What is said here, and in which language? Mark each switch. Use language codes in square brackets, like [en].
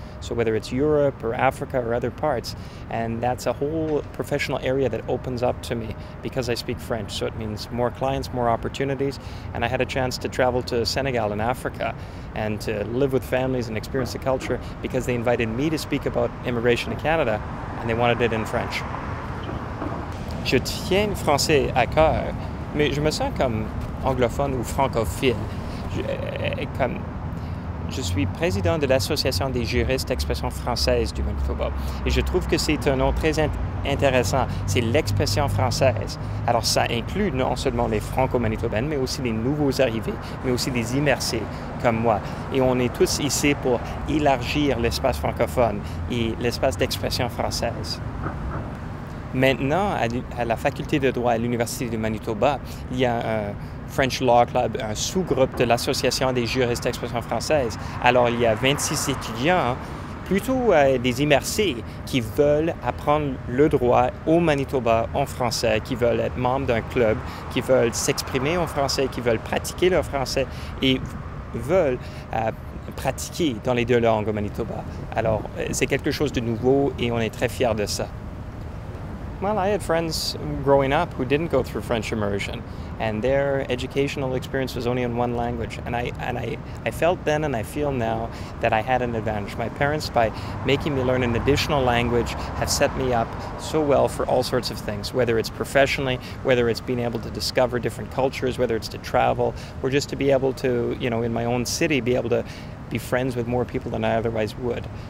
[en] So whether it's Europe or Africa or other parts, and that's a whole professional area that opens up to me because I speak French. So it means more clients, more opportunities, and I had a chance to travel to Senegal in Africa and to live with families and experience the culture because they invited me to speak about immigration to Canada, and they wanted it in French. [fr] Je tiens le français à cœur, mais je me sens comme anglophone ou francophile. Je suis président de l'Association des juristes d'expression française du Manitoba. Et je trouve que c'est un nom très intéressant. C'est l'expression française. Alors ça inclut non seulement les franco-manitobaines, mais aussi les nouveaux arrivés, mais aussi les immersés comme moi. Et on est tous ici pour élargir l'espace francophone et l'espace d'expression française. Maintenant, à la Faculté de droit à l'Université du Manitoba, il y a un French Law Club, un sous-groupe de l'Association des juristes d'expression française. Alors, il y a 26 étudiants, plutôt des immersés, qui veulent apprendre le droit au Manitoba en français, qui veulent être membres d'un club, qui veulent s'exprimer en français, qui veulent pratiquer leur français et veulent pratiquer dans les deux langues au Manitoba. Alors, c'est quelque chose de nouveau et on est très fiers de ça. [en] Well, I had friends growing up who didn't go through French immersion, and their educational experience was only in one language. And I felt then, and I feel now, that I had an advantage. My parents, by making me learn an additional language, have set me up so well for all sorts of things, whether it's professionally, whether it's being able to discover different cultures, whether it's to travel, or just to be able to, you know, in my own city, be able to be friends with more people than I otherwise would.